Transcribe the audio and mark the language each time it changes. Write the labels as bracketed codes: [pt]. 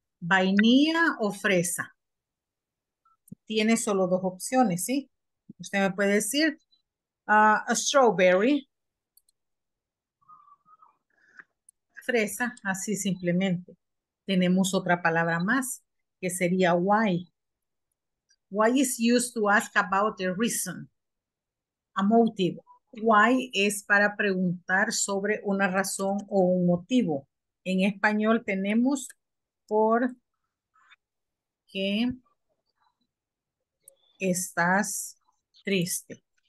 [es] ¿Vainilla o fresa? Tiene solo dos opciones, ¿sí? Usted me puede decir a strawberry, fresa, así simplemente. Tenemos otra palabra más, que sería why. [en] Why is used to ask about a reason, a motive. [es] Why es para preguntar sobre una razón o un motivo. En español tenemos por qué estás triste.